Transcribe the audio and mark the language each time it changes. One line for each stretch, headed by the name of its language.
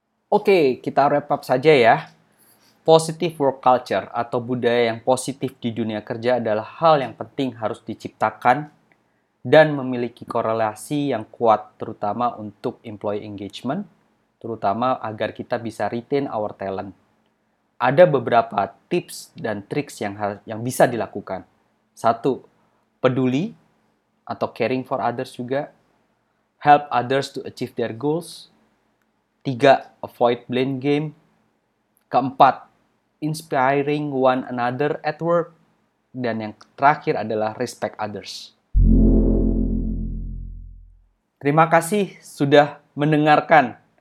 Indonesian: Oke, kita wrap up saja ya.
English: Positive work culture
Indonesian: atau budaya yang positif di dunia kerja adalah hal yang penting harus diciptakan dan memiliki korelasi yang kuat, terutama untuk
English: employee engagement,
Indonesian: terutama agar kita bisa
English: retain our talent.
Indonesian: Ada beberapa tips dan triks yang bisa dilakukan. Satu, peduli atau
English: caring for others
Indonesian: juga.
English: Help others to achieve their goals. 3. Avoid blame game. 4. Inspiring one another at work.
Indonesian: Dan yang terakhir adalah
English: respect others.
Indonesian: Terima kasih sudah mendengarkan.